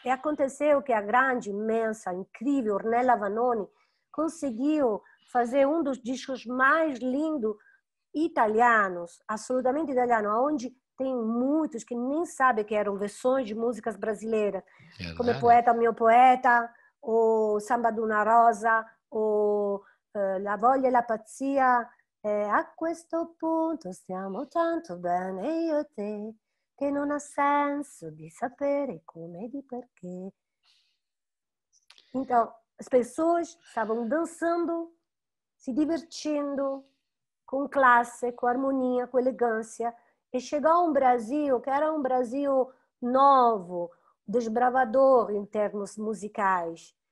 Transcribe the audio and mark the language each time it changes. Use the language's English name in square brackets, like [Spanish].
[Portuguese] E aconteceu que a grande, imensa, incrível Ornella Vanoni conseguiu fazer um dos discos mais lindos italianos, absolutamente italiano, onde tem muitos que nem sabem que eram versões de músicas brasileiras, como Poeta, Meu Poeta, ou Samba de Una Rosa, ou La Voglia e la Pazzia. [Italian] A questo punto stiamo tanto bene io e te, che non ha senso di sapere come e di perché. [Portuguese] Então, as pessoas estavam dançando, se divertindo, com classe, com harmonia, com elegância, e chegou um Brasil que era um Brasil novo, desbravador em termos musicais.